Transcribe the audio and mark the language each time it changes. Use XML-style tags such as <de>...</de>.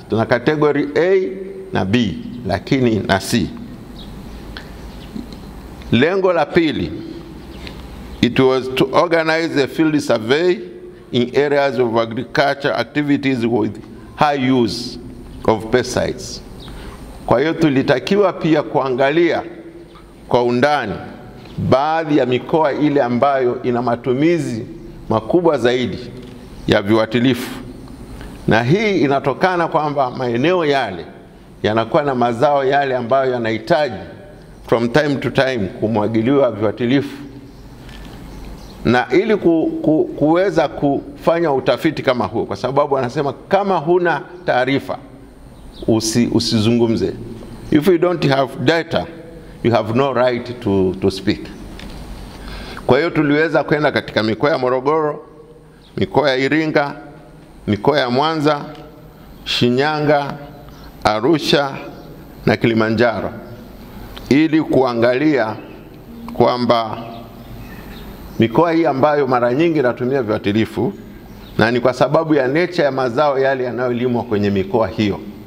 <sw>Tuna category A na B lakini na C. Lengo la pili,</sw> <en>it was to organize a field survey in areas of agriculture activities with high use of pesticides.</en> <sw>Kwa hiyo tulitakiwa pia kuangalia kwa undani baadhi ya mikoa ile ambayo ina matumizi makubwa zaidi ya viuatilifu. Na hii inatokana kwamba maeneo yale yanakuwa na mazao yale ambayo yanahitaji</sw> <en>from time to time</en> <sw>kumwagiliwa viuatilifu. Na ili kuweza kufanya utafiti kama huo, kwa sababu anasema kama huna taarifa usizungumze.</sw> <en>If you don't have data, you have no right to speak.</en> <sw>Kwa hiyo tuliweza kwenda katika mikoa ya Morogoro, mikoa ya Iringa, mikoa ya Mwanza, Shinyanga, Arusha na Kilimanjaro ili kuangalia kwamba mikoa hii ambayo mara nyingi inatumia viuatilifu na ni kwa sababu ya nature ya mazao yale yanayolimwa kwenye mikoa hiyo.</sw>